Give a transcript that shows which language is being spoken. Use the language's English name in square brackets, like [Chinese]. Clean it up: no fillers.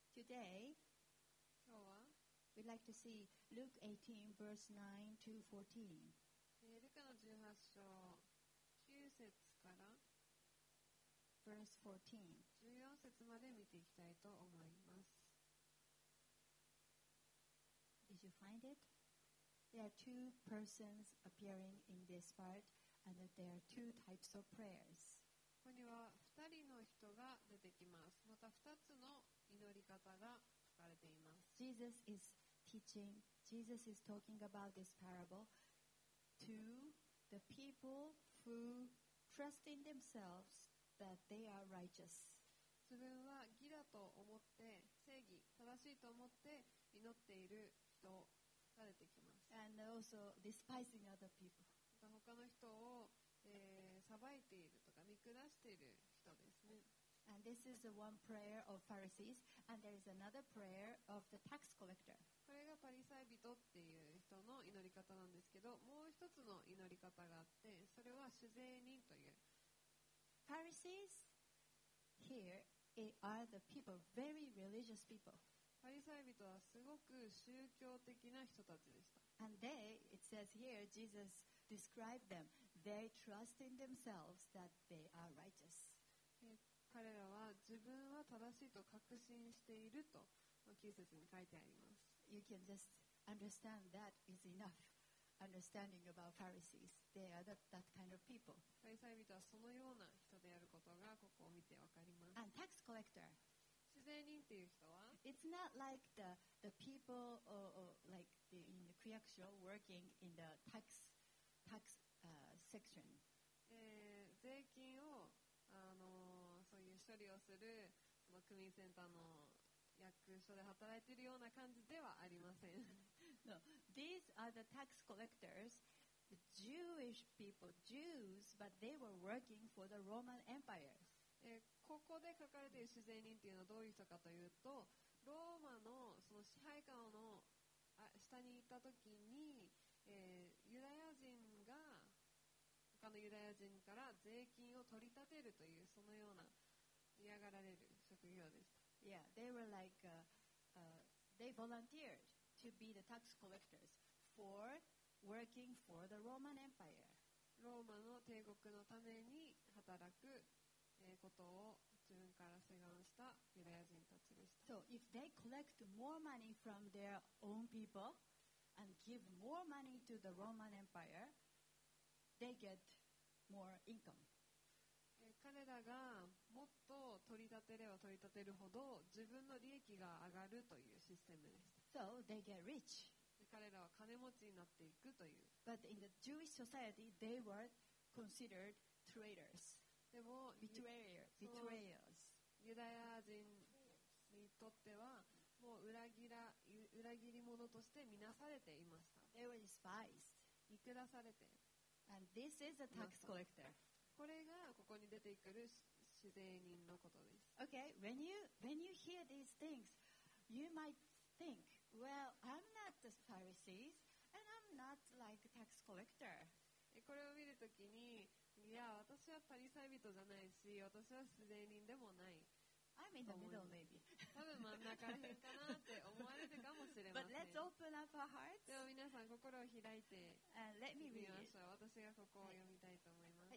[English] Today, we'd like to see Luke 18, verse 9 to 14. [Japanese] ルカの18章9節から [English] verse 14. [Japanese] 14節まで見ていきたいと思います。 [English] Did you find it? There are two persons appearing in this part, and there are two types of prayers. [Japanese] ここには2人の人が出てきます。また2つの祈り方が書かれています。 [English] Jesus is teaching, Jesus is talking about this parable to the people who trust in themselves that they are righteous. [Japanese] 自分は義だと思って、正義、正しいと思って祈っている人を書かれてきます。 [English] And also despising other people. [Japanese] また他の人を裁いているとか見下している人ですね。 [English] And this is the one prayer of Pharisees, and there is another prayer of the tax collector. [Japanese] これがパリサイ人っていう人の祈り方なんですけど、もう一つの祈り方があって、それは主税人という。 [English] Pharisees here are the people, very religious people. [Japanese] パリサイ人はすごく宗教的な人たちでした。 [English] And they, it says here, Jesus described them. They trust in themselves that they are righteous. [Japanese] 彼らは自分は正しいと確信していると9節に書いてあります。 [English] You can just understand that is enough understanding about Pharisees. They are that kind of people. [Japanese] パリサイ人はそのような人であることがここを見てわかります。 [English] And tax collector. [Japanese] 主税人っていう人は [English] It's not like the people like in the 区役所 working in the tax section. [Japanese] 税金をそういう処理をするその区民センターの役所で働いているような感じではありません。 [English] No, these are the tax collectors, the Jewish people, Jews, but they were working for the Roman Empire. [Japanese] ここで書かれている主税人というのはどういう人かというと、ローマ の, その支配下の下にいたときに、ユダヤ人が他のユダヤ人から税金を取り立てるというそのような嫌がられる職業でした。 [English] Yeah, they were like, they volunteered to be the tax collectors for working for the Roman Empire. [Japanese] ローマの帝国のために働くことを自分から志願したユダヤ人たちでした。 [English] So if they collect more money from their own people and give more money to the Roman Empire, they get more income. [Japanese] 彼らがもっと取り立てれば取り立てるほど自分の利益が上がるというシステムです。 [English] So they get rich. [Japanese] 彼らは金持ちになっていくという。 [English] But in the Jewish society, they were considered traitors. [Japanese] でも、 [English] Betrayers. [Japanese] ユダヤ人にとってはもう裏切り者としてみなされていました。 [English] They were despised. [Japanese] 見下されて。 [English] And this is a tax collector. [Japanese] これがここに出てくる主税人のことです。 [English] Okay, when you hear these things, you might think, well, I'm not the Pharisees, and I'm not like a tax collector. [Japanese] これを見るときに、いや、私はパリサイ人じゃないし、私は主税人でもない。 [English] I'm in the middle, maybe. [Japanese] 多分真ん中辺かなって思われるかもしれません。 [English] But let's open up our hearts. [Japanese] でも皆さん、心を開いて見ましょう。 [English] Let me [Japanese] 私がここを読みたいと思います。